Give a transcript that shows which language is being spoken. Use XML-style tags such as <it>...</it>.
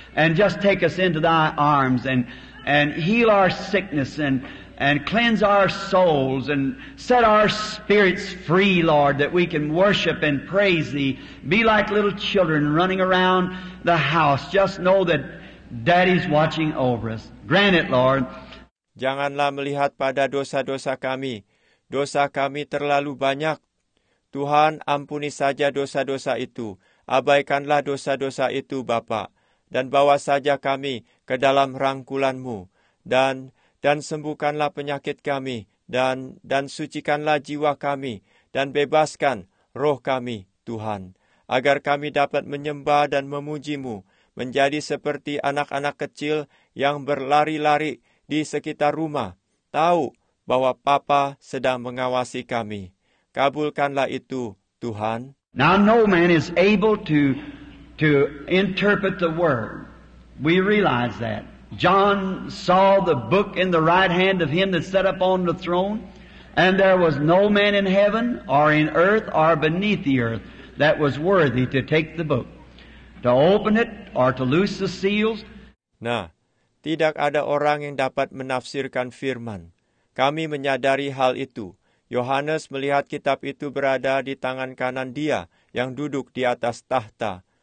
<en>And just take us into thy arms and heal our sickness and cleanse our souls and set our spirits free, Lord, that we can worship and praise thee. Be like little children running around the house. Just know that daddy's watching over us. Grant it, Lord.</en> <id>Janganlah melihat pada dosa-dosa kami. Dosa kami terlalu banyak. Tuhan, ampuni saja dosa-dosa itu. Abaikanlah dosa-dosa itu, Bapa. Dan bawa saja kami ke dalam rangkulanmu. Dan sembuhkanlah penyakit kami, dan sucikanlah jiwa kami, dan bebaskan roh kami, Tuhan, agar kami dapat menyembah dan memujimu, menjadi seperti anak-anak kecil yang berlari-lari di sekitar rumah, tahu bahwa Papa sedang mengawasi kami. Kabulkanlah itu, Tuhan.</id> <en>Now no man is able to interpret the word. We realize that. John saw the book in the right hand of him that sat upon the throne, And there was no man in heaven or in earth or beneath the earth that was worthy to take the book, to open it or to loose the seals.</en> <id>Nah, tidak ada orang yang dapat menafsirkan firman. Kami menyadari hal itu. Yohanes melihat kitab itu berada di tangan kanan dia yang duduk di atas tahta.</id>